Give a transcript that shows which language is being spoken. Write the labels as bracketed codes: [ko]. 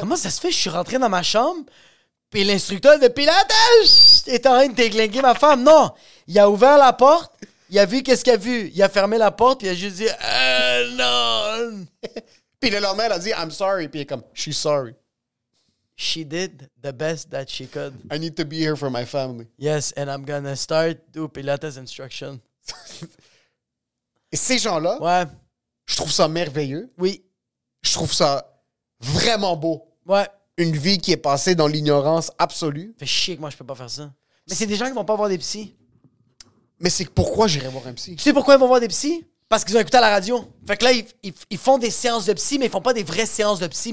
[fr] Comment ça se fait? Je suis rentré dans ma chambre, puis l'instructeur de pilates est en train de déglinguer ma femme. Non! Il a ouvert la porte, il a vu qu'est-ce qu'il a vu. Il a fermé la porte, puis il a juste dit non! Puis le lendemain, elle a dit [en] I'm sorry, [fr] puis il est comme [en] she's sorry. She did the best that she could. I need to be here for my family. Yes, and I'm gonna start do pilates instruction. [fr] Et ces gens-là, ouais. Je trouve ça merveilleux. Oui. Je trouve ça vraiment beau. Ouais. Une vie qui est passée dans l'ignorance absolue. Fait chier que moi, je peux pas faire ça. Mais c'est des gens qui vont pas voir des psys. Mais c'est pourquoi j'irais voir un psy? Tu sais pourquoi ils vont voir des psys? Parce qu'ils ont écouté à la radio. Fait que là, ils font des séances de psy, mais ils font pas des vraies séances de psy.